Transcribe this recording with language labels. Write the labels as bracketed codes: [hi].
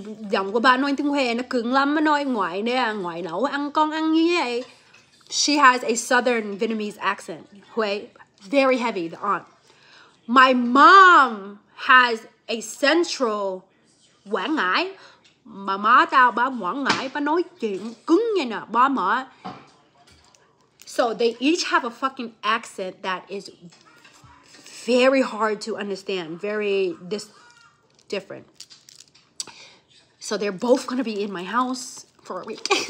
[vi] Giọng của bà nói tiếng Hue. Nó cứng lắm. Bà nói ngoài nè. Ngoài nấu ăn con ăn như vậy. [en] She has a southern Vietnamese accent. Hue. Very heavy. The aunt. My mom has a central Quảng Ngãi. [vi] Mà má tao ba Quảng Ngãi, ba nói chuyện cứng như nè, ba má. [en] So they each have a fucking accent that is very hard to understand, very different. So they're both gonna be in my house for a week.